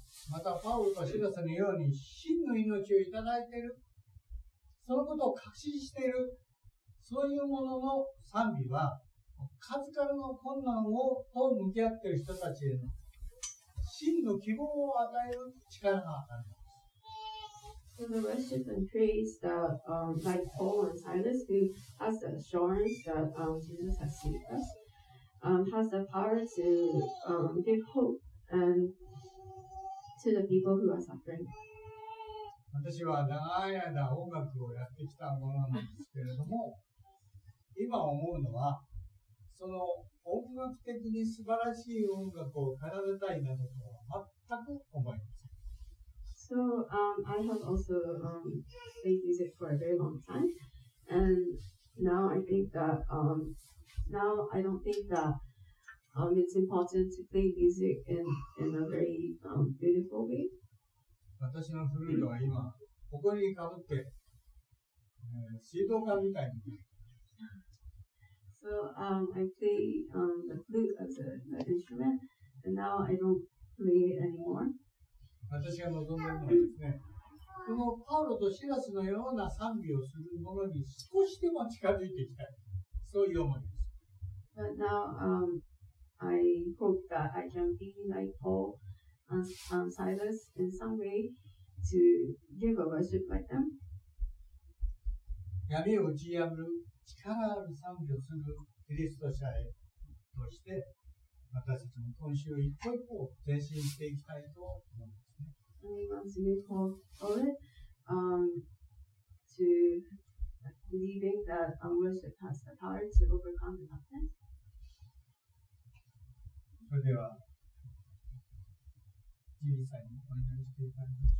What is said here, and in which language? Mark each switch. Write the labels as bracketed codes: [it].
[ja] また、パウロとシラスのように真の命をいただいている。そのことを確信しているそういうものの賛美は数々の困難をと向き合っている人たちへの真の希望を与える力があります。 [en] So the worship and praise that, like Paul and Silas, who has the assurance that Jesus has saved us, has the power to give hope and to the people who are suffering. [ja] 私は長い間音楽をやってきたものなんですけれども、今思うのは、その音楽的に素晴らしい音楽を奏でたいなどとは全く思いません。 [en] So, I have also played music for a very long time, and now I think that, now I don't think that, it's important to play music in a very, beautiful way. [ja] 私のフルートは今、ここにかぶって、水道管みたいに。 [en] So, I play, the flute as an instrument, and now I don't play it anymore. [ja] 私が望んでいるのはですね、このパウロとシラスのような賛美をするものに少しでも近づいていきたい。そういう思いです。 [en] But now, I hope that I can be like Paul. Silas in some way to give a worship like them. [ja] 闇を打ち破る力ある賛美をするキリスト者へとして私たちも今週一歩一歩前進していきたいと思うんですね。 [en] We want to move forward, to believing that our worship has the power to overcome the darkness. [ja] それでは小さいにお祈りしていただきまし